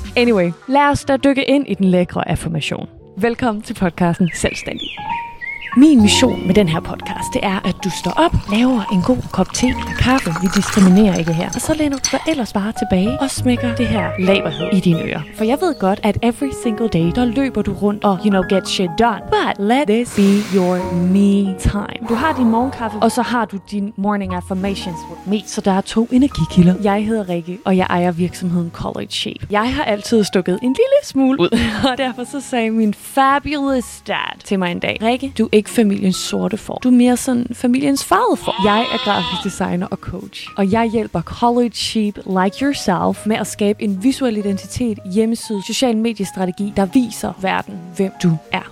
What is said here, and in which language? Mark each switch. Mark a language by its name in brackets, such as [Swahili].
[Danish] Anyway, lad os da dykke ind i den lækre affirmation. Velkommen til podcasten Selvstændig. Min mission med den her podcast, det er, at du står op, laver en god kop te eller kaffe, vi diskriminerer ikke her, og så læner du ellers bare tilbage og smækker det her laberhed i dine ører. For jeg ved godt, at [English] every single day, [Danish] der løber du rundt og, [English] you know, get shit done. But let this be your me time. [Danish] Du har din morgenkaffe, og så har du din [English] morning affirmations with me. [Danish] Så der er 2 energikilder. Jeg hedder Rikke, og jeg ejer virksomheden College Shape. Jeg har altid stukket en lille smule ud, og derfor så sagde min [English] fabulous dad [Danish] til mig en dag, Rikke, du ikke familiens sorte får. Du er mere sådan familiens farvede får. Jeg er grafisk designer og coach, og jeg hjælper college sheep [English] like yourself [Danish] med at skabe en visuel identitet, hjemmeside, social mediestrategi, der viser verden, hvem du er.